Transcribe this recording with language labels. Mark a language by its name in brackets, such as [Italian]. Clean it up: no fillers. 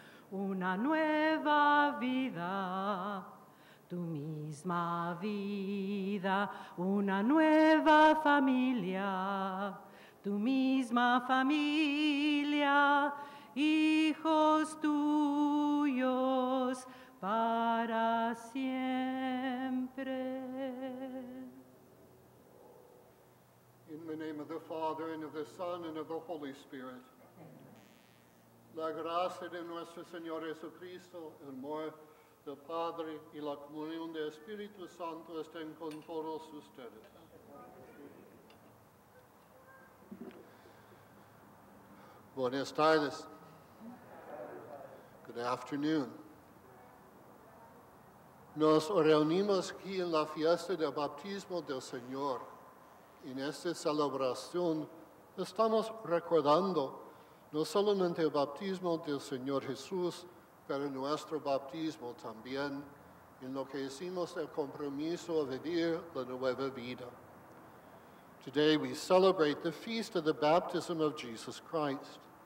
[Spanish] Una nueva vida, tu misma vida, una nueva familia, tu misma familia, hijos tuyos para siempre. [English] In the name of the Father, and of the Son, and of the Holy Spirit. [Spanish] La gracia de nuestro Señor Jesucristo, el amor del Padre y la comunión del Espíritu Santo estén con todos ustedes. Buenas tardes. [English] Good afternoon. [Spanish] Nos reunimos aquí en la fiesta del bautismo del Señor. En esta celebración estamos recordando no solamente el bautismo del Señor Jesús, pero nuestro bautismo también, en lo que hicimos el compromiso de vivir la nueva vida. [English] Today we celebrate the feast of the baptism of Jesus Christ.